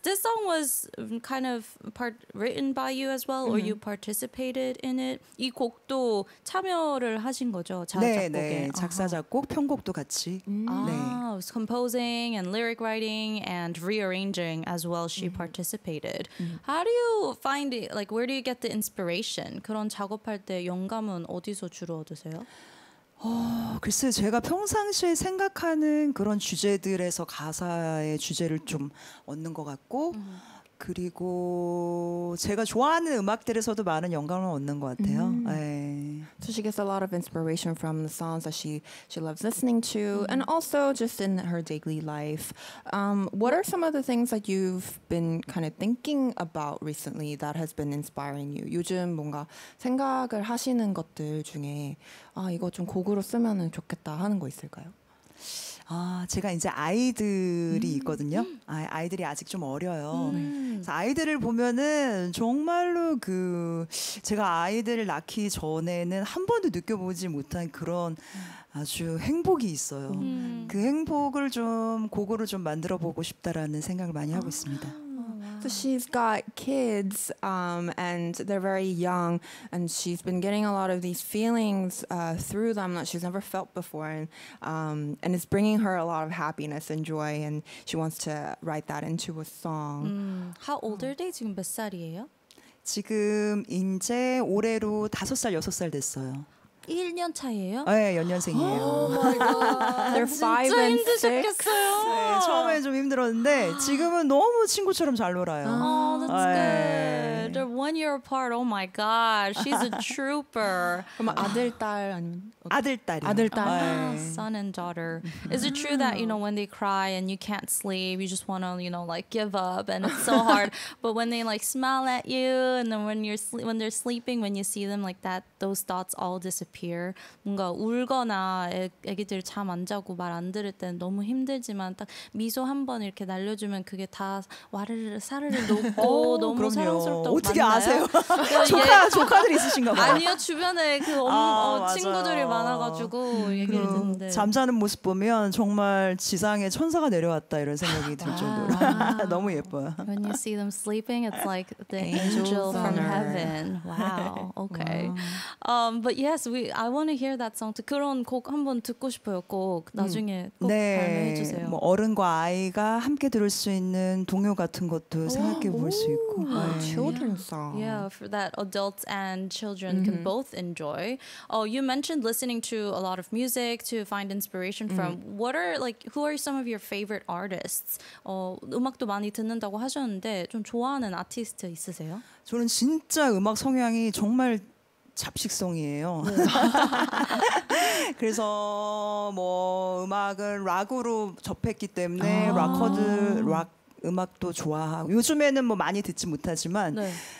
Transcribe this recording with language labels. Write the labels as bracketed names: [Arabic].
[English] This song was kind of part written by you as well, mm-hmm. or you participated in it. [Korean] 이 곡도 참여를 하신 거죠? 작곡에. 네, 네. 작사 작곡 편곡도 같이. Mm-hmm. 네. [English] Ah, was composing and lyric writing and rearranging as well. She mm-hmm. participated. Mm-hmm. How do you find it? Like, where do you get the inspiration? [Korean] 그런 작업할 때 영감은 어디서 주로 얻으세요? 글쎄 제가 평상시에 생각하는 그런 주제들에서 가사의 주제를 좀 얻는 것 같고 그리고 제가 좋아하는 음악들에서도 많은 영감을 얻는 것 같아요. [English] So she gets a lot of inspiration from the songs that she loves listening to and also just in her daily life. What are some of the things that you've been kind of thinking about recently that has been inspiring you? [Korean] 요즘 뭔가 생각을 하시는 것들 중에 아 이거 좀 곡으로 쓰면은 좋겠다 하는 거 있을까요? 아, 제가 이제 아이들이 있거든요. 아이들이 아직 좀 어려요. 그래서 아이들을 보면은 정말로 그 제가 아이들을 낳기 전에는 한 번도 느껴보지 못한 그런 아주 행복이 있어요. 그 행복을 좀 곡으로 좀 만들어 보고 싶다라는 생각을 많이 하고 있습니다. [English] So she's got kids and they're very young and she's been getting a lot of these feelings through them that she's never felt before and it's bringing her a lot of happiness and joy and she wants to write that into a song. How old are they? [Korean] 지금 몇 살이에요? 지금 이제 올해로 5살, 6살 됐어요. 1년 차이에요? 네, 연년생이에요. [English] Oh my god. They're 5 and 6. [Korean] 진짜 힘드셨겠어요. 네, 처음에 좀 힘들었는데 지금은 너무 친구처럼 잘 놀아요. [English] Oh, that's 네. good. They're 1 year apart. Oh my god. She's a trooper. [Korean] 그럼 아들, 딸 아니면? 아들, 딸이요. 아들, 딸. [English] Son and daughter. Is it true that, you know, when they cry and you can't sleep, you just want to, you know, like give up and it's so hard. But when they like smile at you and then when they're sleeping, when you see them like that, those thoughts all disappear. [Korean] 뭔가 울거나 애기들 잠 안 자고 말 안 들을 때는 너무 힘들지만 딱 미소 한 번 이렇게 날려주면 그게 다 와르르 사르르 녹고 너무 사랑스럽다고 그럼요. 맞나요? 어떻게 아세요? 조카들 있으신가 봐요. 아니요. 주변에 그 친구들이 많아가지고 얘기를 듣는데 잠자는 모습 보면 정말 지상에 천사가 내려왔다 이런 생각이 들 정도로 너무 예뻐요. [English] When you see them sleeping, it's like the angel from heaven. Wow. Okay. But yeah, Yes, I want to hear that song. [Korean] 그런 곡 한번 듣고 싶어요. 꼭 나중에 꼭 발매해 주세요. 뭐 어른과 아이가 함께 들을 수 있는 동요 같은 것도 생각해 볼 수 있고. [English] Children song. Yeah, for that adults and children can both enjoy. Oh, you mentioned listening to a lot of music to find inspiration from. What are like who are some of your favorite artists? [Korean] 음악도 많이 듣는다고 하셨는데 좀 좋아하는 아티스트 있으세요? 저는 진짜 음악 성향이 정말 잡식성이에요. 그래서 뭐 음악을 락으로 접했기 때문에 락커드 락 음악도 좋아하고 요즘에는 뭐 많이 듣지 못하지만 네.